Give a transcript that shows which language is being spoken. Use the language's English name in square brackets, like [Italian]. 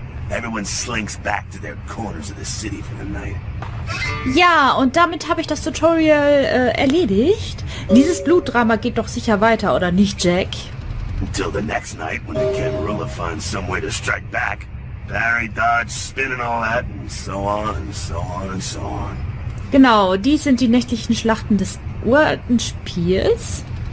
[English] Everyone slinks back to their corners of the city for the night. [German] Ja, und damit habe ich das Tutorial erledigt. Dieses Blutdrama geht doch sicher weiter, oder nicht, Jack? [English] Until the next night, when the Camarilla finds some way to strike back. Parry, dodge, spin and all that, and so on and so on and so on. [German] Genau, dies sind die nächtlichen Schlachten des Urtenspiels.